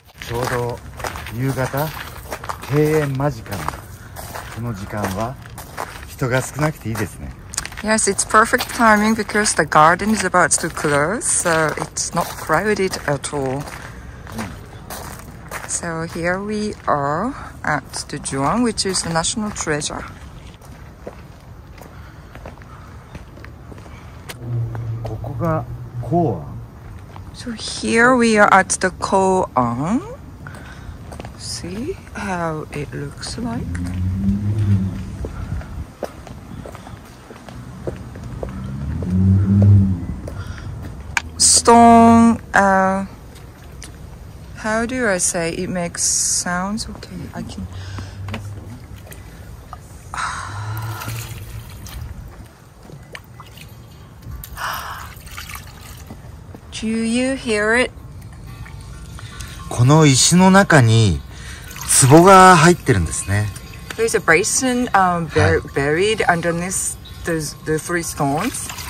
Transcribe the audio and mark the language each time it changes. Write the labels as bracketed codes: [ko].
[ja] ちょうど夕方閉園間近のこの時間は人が少なくていいですね。 [en] Yes, it's perfect timing because the garden is about to close, so it's not crowded at all. So here we are at the Juan, which is the national treasure. [ja] ここが公安。 [en] So here we are at the 公安。See how it looks like. Stone, how do I say it makes sounds? Okay, I can. Do you hear it? [ja] この石の中に壺が入ってるんですね。 [en] There's a basin buried underneath the three stones.